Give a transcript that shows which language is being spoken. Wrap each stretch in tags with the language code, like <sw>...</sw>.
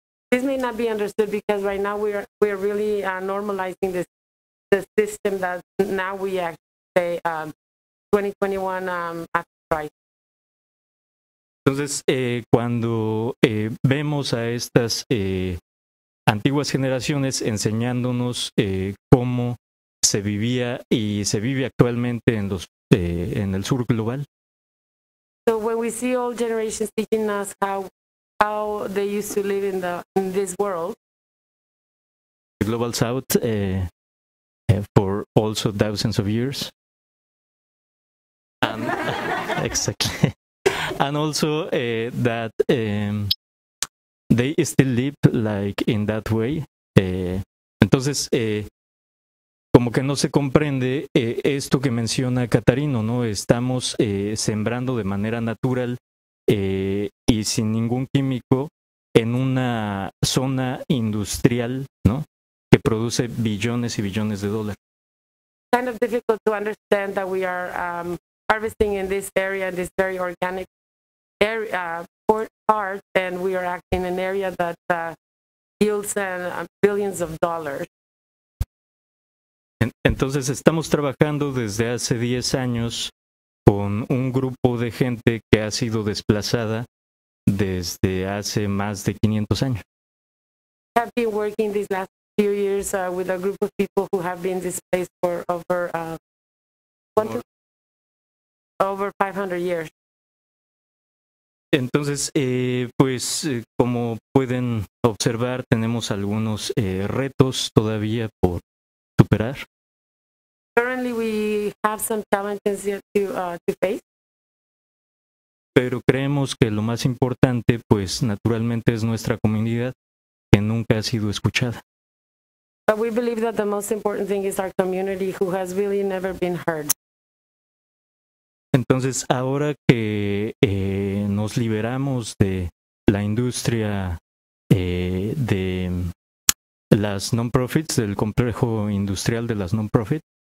<en>This may not be understood because right now we are really normalizing the system that now we actually say 2021 after Christ.</en> <es>Entonces cuando vemos a estas antiguas generaciones enseñándonos cómo se vivía y se vive actualmente en los en el sur global.</es> <en>So when we see old generations teaching us how they used to live in this world. The global south for also thousands of years. And, exactly. And also that they still live like in that way.</en> <es>Entonces como que no se comprende esto que menciona Catarino, ¿no? Estamos sembrando de manera natural y sin ningún químico en una zona industrial, ¿no? Que produce billones y billones de dólares.</es> <en>Kind of difficult to understand that we are harvesting in this area, in this very organic area, part, and we are acting in an area that yields billions of dollars.</en> <es>Entonces estamos trabajando desde hace 10 años con un grupo de gente que ha sido desplazada desde hace más de 500 años.</es> <en>We have been working these last few years with a group of people who have been displaced for over 500 years.</en> <es>Entonces, pues como pueden observar, tenemos algunos retos todavía por superar.</es> <en>Currently, we have some challenges yet to face.</en> <es>Pero creemos que lo más importante, pues, naturalmente, es nuestra comunidad que nunca ha sido escuchada.</es> <en>But we believe that the most important thing is our community, who has really never been heard.</en> <es>Entonces, ahora que nos liberamos de la industria de las non-profits, del complejo industrial de las non-profits.</es>